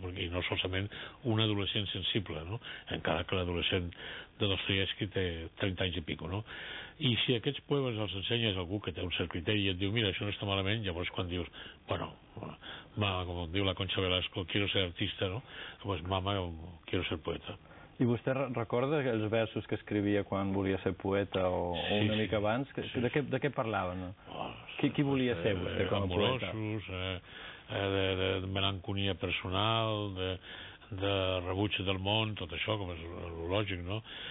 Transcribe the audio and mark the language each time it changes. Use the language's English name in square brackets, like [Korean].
[Catalan] Perquè, i no solament un adolescent sensible, no? Encara que l'adolescent de Dostoievski té 30 anys i pico, no? I si aquests poemes els ensenyes a algú que té un cert criteri i et diu, mira, això no està malament, llavors quan dius, bueno, mama, com diu la Concha Velasco, [Spanish] quiero ser artista, [Catalan] no? [Spanish] Pues mama, quiero ser poeta. [Catalan] I vostè recorda els versos que escrivia quan volia ser poeta o una mica abans? De què parlava, no? Qui volia ser vostè com a poeta? Amorosos, de melanconia personal, de rebuig del món, tot això, com és lògic, no?